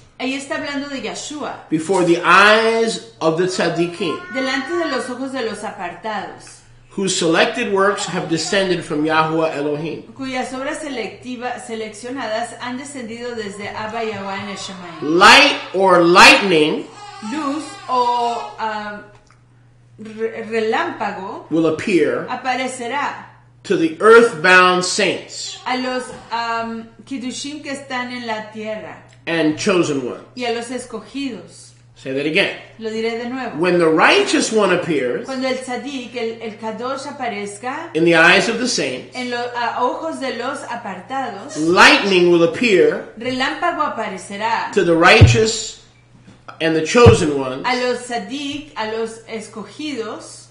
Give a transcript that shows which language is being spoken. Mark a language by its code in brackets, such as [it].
[es] Ahí está hablando de Yeshua. [en] Before the eyes of the tzaddikim, [es] delante de los ojos de los apartados, [en] whose selected works have descended from Yahuwah Elohim, [es] cuyas obras seleccionadas han descendido desde Abba Yahweh en el Shemayim. [en] Light or lightning, [es] luz o relámpago, [en] will appear, [es] aparecerá, [en] to the earthbound saints, [es] a los kiddushim que están en la tierra, [en] and chosen ones, [es] y a los escogidos. [en] Say that again. [es] Lo diré de nuevo. [en] When the righteous one appears, [es] cuando el tzaddik, el kadosh aparezca, [en] in the eyes of the saints, [es] en los ojos de los apartados, [en] lightning will appear, [es] relámpago aparecerá, [en] to the righteous and the chosen ones, [es] a los tzaddik, a los escogidos,